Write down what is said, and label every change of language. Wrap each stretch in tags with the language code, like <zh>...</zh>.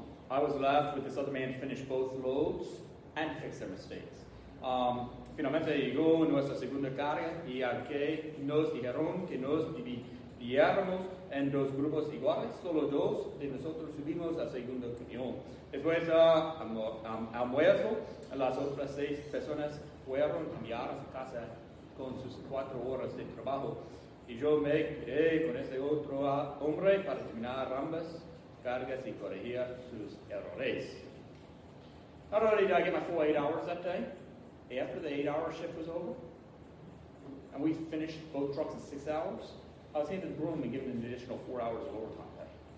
<en>I was left with this other man to finish both loads and fix their mistakes.</en> <es>Finalmente llegó nuestra segunda carga y aunque nos dijeron que nos dividiéramos en 2 grupos iguales, solo 2 de nosotros subimos al segundo camión. Después almuerzo, las otras 6 personas fueron enviadas a casa. con sus 4 horas de trabajo. Y yo me quedé con ese otro hombre para terminar ambas cargas y corregir sus errores.</es> <en>Not only did I get my full 8 hours that day, after the 8-hour shift was over, and we finished both trucks in 6 hours, I was handed the broom and given an additional 4 hours of overtime pay.</en>